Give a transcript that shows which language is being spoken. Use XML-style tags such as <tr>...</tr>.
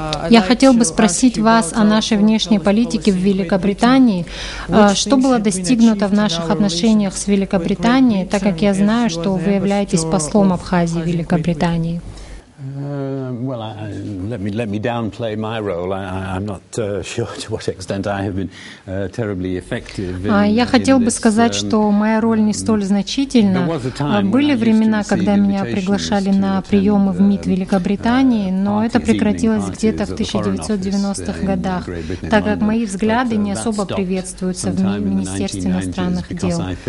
<ru>Я хотел бы спросить вас о нашей внешней политике в Великобритании. Что было достигнуто в наших отношениях с Великобританией, так как я знаю, что вы являетесь послом Абхазии в Великобритании?</ru> <en>Let me downplay my role. I'm not sure to what extent I have been terribly effective.</en> <ru>Я хотел бы сказать, что моя роль не столь значительна. Были времена, когда меня приглашали на приемы в МИД Великобритании, но это прекратилось где-то в 1990-х годах, так как мои взгляды не особо приветствуются в Министерстве иностранных дел.</ru>